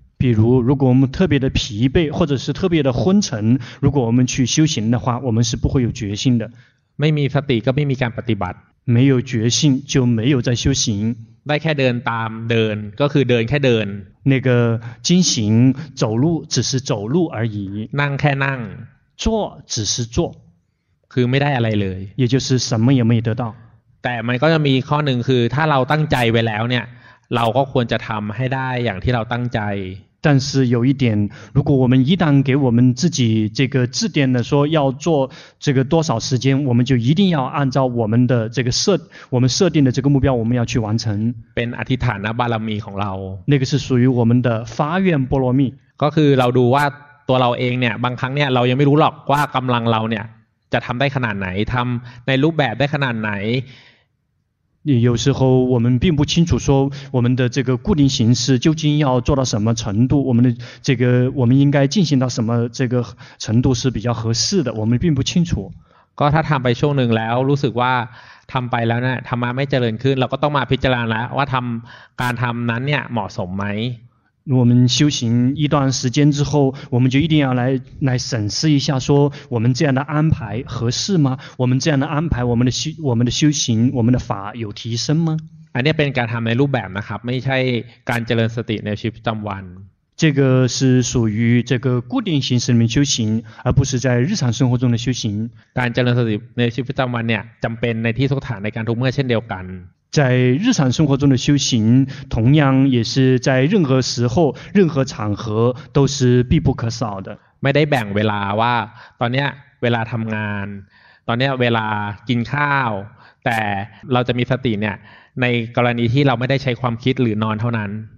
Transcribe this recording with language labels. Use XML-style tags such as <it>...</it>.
<zh>比如如果我们特别的疲惫或者是特别的昏沉如果我们去修行的话我们是不会有决心的</zh> <th>ไม่มีสติก็ไม่มีการปฏิบัติ</th> <zh>没有决心就没有在修行</zh> <th>ได้แค่เดินตามเดินก็คือเดินแค่เดิน</th> <zh>那个进行走路只是走路而已</zh> <th>นั่งแค่นั่ง</th> <zh>坐只是坐</zh> <th>คือไม่ได้อะไรเลย</th> <zh>也就是什么也没得到</zh> <th>แต่มันก็จะมีข้อหนึ่งคือถ้าเราตั้งใจไว้แล้วเนี่ยเราก็ควรจะทำให้ได้อย่างที่เราตั้งใจ</th> <zh>但是有一点如果我们一旦给我们自己这个制定的说要做这个多少时间我们就一定要按照我们的这个我们设定的这个目标我们要去完成</zh> <th>เป็นอธิษฐานบารมีของเรา</th> <zh>那个是属于我们的发愿波罗蜜</zh> <th>ก็คือเราดูว่าตัวเราเองเนี่ยบางครั้งเนี่ยเรายังไม่รู้หรอกว่ากำลังเราเนี่ยจะทำได้ขนาดไหนทำในรูปแบบได้ขนาดไหน</th> <zh>有时候我们并不清楚说我们的这个固定形式究竟要做到什么程度我们的这个我们应该进行到什么这个程度是比较合适的我们并不清楚</zh> <th>ก็ถ้าทำไปช่วงหนึ่งแล้วรู้สึกว่าทำไปแล้วเนี่ยทำมาไม่เจริญขึ้นเราก็ต้องมาพิจารณาว่าทำการทำนั้นเนี่ยเหมาะสมไหม</th> <zh>我们修行一段时间之后我们就一定要来审视一下说我们这样的安排合适吗我们这样的安排我们的修行我们的法有提升吗</zh> <th>อันนี้เป็นการทำในรูปแบบนะครับไม่ใช่การเจริญสติในชีวิตประจำวัน</th> <zh>这个是属于这个固定形式里面修行，而不是在日常生活中的修行。但这种事情</zh> <th>ในชีวิตประจำวันเนี่ยจำเป็นในที่สุขฐานในการทุกเมื่อเช่นเดียวกัน</th> <zh>在日常生活中的修行，同样也是在任何时候、任何场合都是必不可少的。</zh> <th>ไม่ได้แบ่งเวลาว่าตอนนี้เวลาทำงานตอนนี้เวลากินข้าวแต่เราจะมีสติเนี่ยในกรณีที่เราไม่ได้ใช้ความคิดหรือนอนเท่านั้น</th>